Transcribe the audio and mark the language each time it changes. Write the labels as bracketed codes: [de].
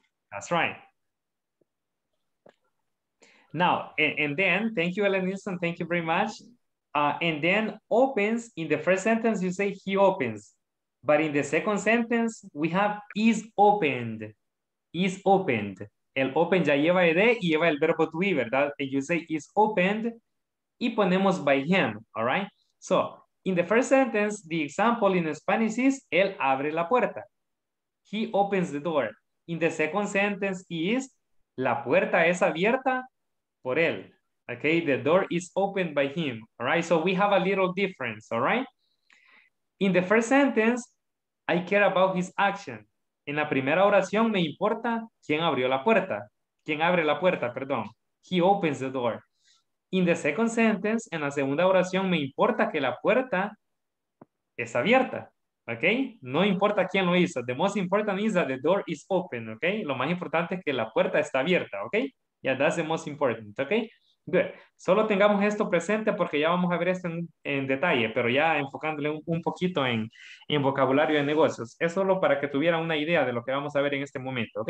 [en] That's right. Now, and then, thank you, Ellen Nielsen. Thank you very much. And then opens, in the first sentence, you say he opens. But in the second sentence, we have is opened. Is opened. [es] El open ya lleva ed y lleva el verbo to be, ¿verdad? [en] And you say is opened [es] y ponemos [en] by him, all right? So, in the first sentence, the example in Spanish is [es] él abre la puerta. [en] He opens the door. In the second sentence is [es] la puerta es abierta por él. [en] Okay, the door is opened by him. All right, so we have a little difference, all right? In the first sentence, I care about his action. [es] En la primera oración, me importa quién abrió la puerta. Quién abre la puerta, perdón. [en] He opens the door. In the second sentence, [es] en la segunda oración, me importa que la puerta es abierta. Okay, no importa quién lo hizo. [en] The most important is that the door is open. [es] Okay, lo más importante es que la puerta está abierta. [en] Okay, yeah, that's the most important. Okay, good. [es] Solo tengamos esto presente porque ya vamos a ver esto en detalle, pero ya enfocándole un poquito en vocabulario de negocios. Es solo para que tuvieran una idea de lo que vamos a ver en este momento.